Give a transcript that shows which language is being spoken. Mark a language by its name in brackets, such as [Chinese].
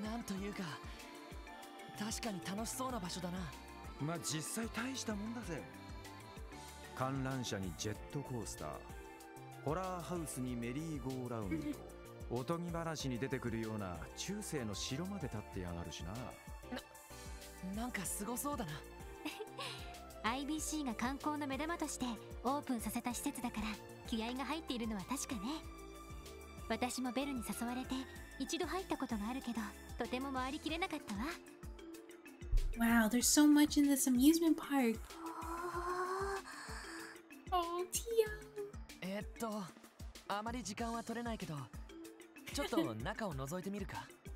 [Japanese] なんというか確かに楽しそうな場所だな。ま、実際大したもんだぜ。観覧車にジェットコースター、ホラーハウスにメリーゴーラウンド、おとぎ話に出てくるような中世の城まで立ってやがるしな。なんかすごそうだな。 IBCが観光の目玉としてオープンさせた施設だから気合が入っているのは確かね。私もベルに誘われて一度入ったことがあるけど、とても回りきれなかったわ。 [English] Wow, there's so much in this amusement park. Oh, Tio. [Japanese] あまり時間は取れないけど、ちょっと中を覗いてみるか。